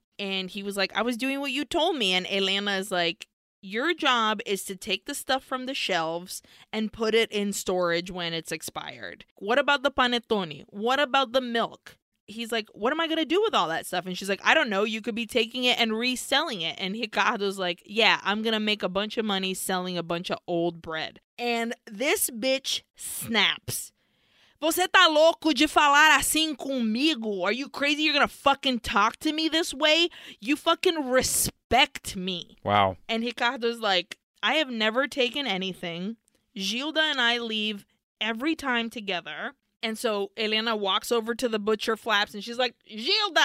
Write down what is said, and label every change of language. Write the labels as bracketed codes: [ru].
[en] And he was like, I was doing what you told me. And Elena is like, your job is to take the stuff from the shelves and put it in storage when it's expired. What about the panettone? What about the milk? He's like, what am I going to do with all that stuff? And she's like, I don't know. You could be taking it and reselling it. And Ricardo's like, yeah, I'm going to make a bunch of money selling a bunch of old bread. And this bitch snaps. [pt] Você tá louco de falar assim comigo? [en] Are you crazy? You're going to fucking talk to me this way? You fucking respect me. Wow. And Ricardo's like, I have never taken anything. Gilda and I leave every time together. And so Elena walks over to the butcher flaps and she's like, Gilda!